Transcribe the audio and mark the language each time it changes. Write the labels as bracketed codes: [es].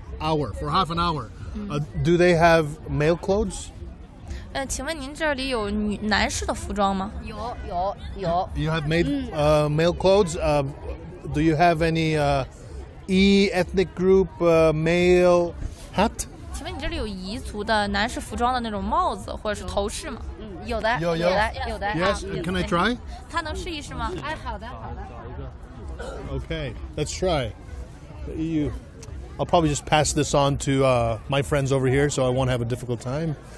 [en] Hour for half an hour.、Do they have male clothes? [zh] 请问您这里有男士的服装吗？有。 [en] You have made、male clothes.、do you have any E ethnic group male hat? [zh] 请问你这里有彝族的男士服装的那种帽子或者是头饰吗？有的。有的。 [en] Yes.、Can I try? [zh] 他能试一试吗？好的。 [en] Okay. Let's try. You. I'll probably just pass this on to my friends over here, so I won't have a difficult time.